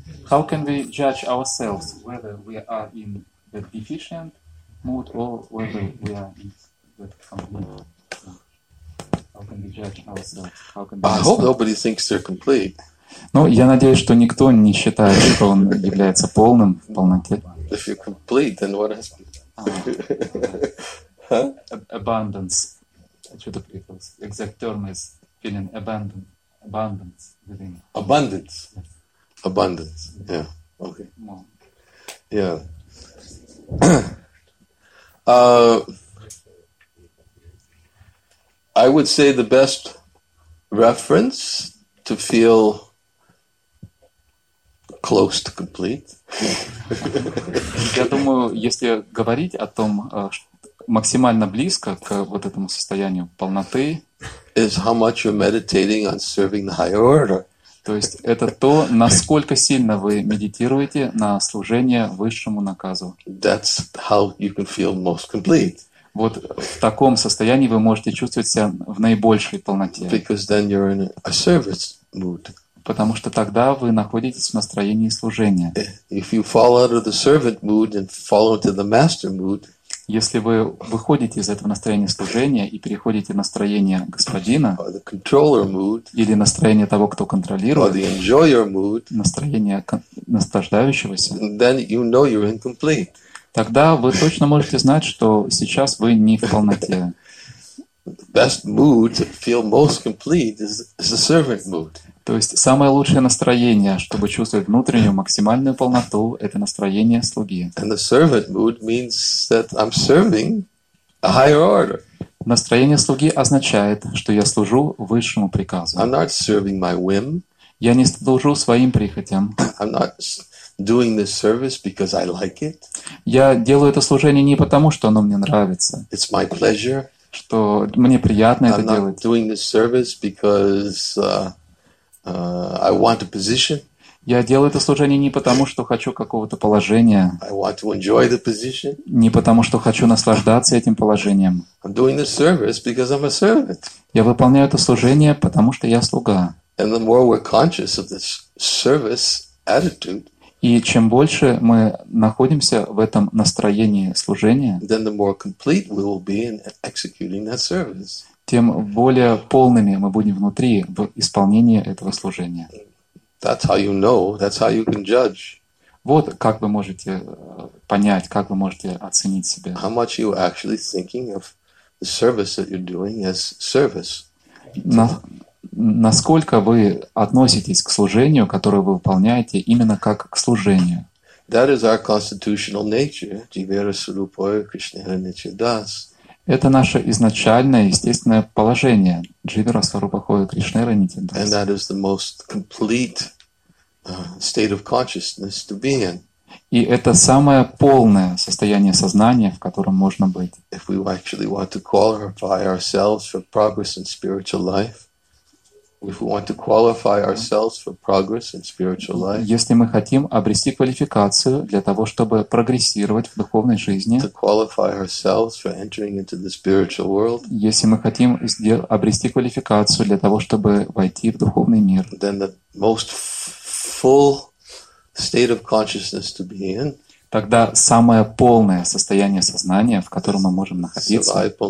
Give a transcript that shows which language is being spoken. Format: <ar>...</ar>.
<en>How can we judge ourselves whether we are in the deficient mood or whether we are in that complete. How can we judge ourselves? How can we I hope nobody thinks they're complete.</en> <ru>Ну, я надеюсь, что никто не считает, что он является полным в полноте.</ru> <en>If you're complete, then what has been? Abundance.</en> <ru>Что-то прикрылось.</ru> <en>Exact term is feeling abundance. Abundance within. Abundance. Yes. Abundance. Yeah. Okay. More. Yeah. I would say the best reference to feel close to complete.</en> <ru>Я думаю, если говорить о том, максимально близко к вот этому состоянию полноты,</ru> <en>is how much you're meditating on serving the higher order.</en> <ru>То есть это то, насколько сильно вы медитируете на служение высшему наказу.</ru> <en>That's how you can feel most complete.</en> <ru>Вот в таком состоянии вы можете чувствовать себя в наибольшей полноте.</ru> <en>Because then you're in a service mood.</en> <ru>Потому что тогда вы находитесь в настроении служения.</ru> <en>If you fall out of the servant mood and fall into the master mood,</en> <ru>если вы выходите из этого настроения служения и переходите в настроение господина или настроение того, кто контролирует,</ru> <en>mood,</en> <ru>настроение наслаждающегося,</ru> <en>then you know you're incomplete.</en> <ru>Тогда вы точно можете знать, что сейчас вы не в полноте.</ru> <en>Best mood to feel most complete is the servant mood.</en> <ru>То есть самое лучшее настроение, чтобы чувствовать внутреннюю максимальную полноту, это настроение слуги.</ru> <en>And the servant mood means that I'm serving a higher order.</en> <ru>Настроение слуги означает, что я служу высшему приказу.</ru> <en>I'm not serving my whim.</en> <ru>Я не служу своим прихотям.</ru> <en>I'm not doing this service because I like it.</en> <ru>Я делаю это служение не потому, что оно мне нравится.</ru> <en>It's my pleasure.</en> <ru>Что мне приятно это делать.</ru> <en>I'm not doing this service because I want a position.</en> <ru>Я делаю это служение не потому, что хочу какого-то положения.</ru> <en>I want to enjoy the position.</en> <ru>Не потому, что хочу наслаждаться этим положением.</ru> <en>I'm doing this service because I'm a servant.</en> <ru>Я выполняю это служение, потому что я слуга.</ru> <en>And the more we're conscious of this service attitude,</en> <ru>и чем больше мы находимся в этом настроении служения,</ru> <en>then the more complete we will be in executing that service.</en> <ru>Тем более полными мы будем внутри в исполнении этого служения.</ru> <en>That's how you know, that's how you can judge.</en> <ru>Вот как вы можете понять, как вы можете оценить себя.</ru> <en>How much you actually thinking of the service that you're doing as service.</en> <ru>Насколько вы относитесь к служению, которое вы выполняете, именно как к служению?</ru> <en>That is our constitutional nature,</en> <sa>jivera surupoya krishnaya nitya das.</sa> <ru>Это наше изначальное, естественное положение.</ru> <sa>Дживера сварупахоя кришнера нитидас.</sa> <en>And that is the most complete state of consciousness to be in.</en> <ru>И это самое полное состояние сознания, в котором можно быть.</ru> <en>If we actually want to qualify ourselves for progress in spiritual life, if we want to qualify ourselves for progress in spiritual life,</en> <ru>если мы хотим обрести квалификацию для того, чтобы прогрессировать в духовной жизни,</ru> <en>to qualify ourselves for entering into the spiritual world,</en> <ru>если мы хотим обрести квалификацию для того, чтобы войти в духовный мир,</ru> <en>then the most full state of consciousness to be in,</en> <ru>тогда самое полное состояние сознания, в котором мы можем находиться.</ru>